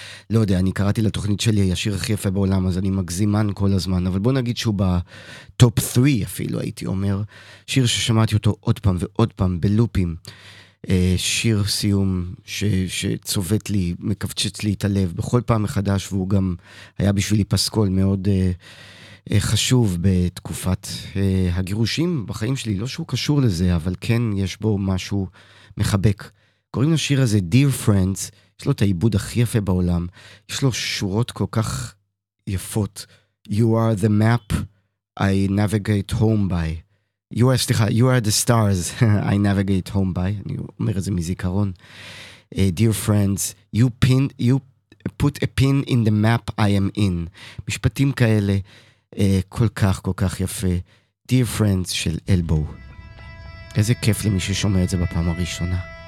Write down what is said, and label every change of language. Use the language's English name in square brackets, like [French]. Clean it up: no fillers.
[Hebrew] לא יודע, אני קראתי לתוכנית שלי השיר הכי יפה בעולם, אז אני מגזימן כל הזמן, אבל בוא נגיד שהוא בטופ 3 אפילו הייתי אומר, שיר ששמעתי אותו עוד פעם ועוד פעם בלופים, שיר סיום שצובט לי, מקבצ'ת לי את הלב בכל פעם מחדש, והוא גם היה בשבילי פסקול מאוד חשוב בתקופת הגירושים בחיים שלי, לא שהוא קשור לזה, אבל כן יש בו משהו מחבק. קוראים לשיר הזה Dear Friends, יש לו את העיבוד הכי יפה בעולם, יש לו שורות כל כך יפות. [English] You are the map I navigate home by. You are, [Hebrew] סליחה, [English] you are the stars I navigate home by. [Hebrew] אני אומר את זה מזיכרון. [English] Dear Friends, you put a pin in the map I am in. [Hebrew] משפטים כאלה כל כך כל כך יפה, Dear Friends של אלבו. איזה כיף למי ששומע את זה בפעם הראשונה.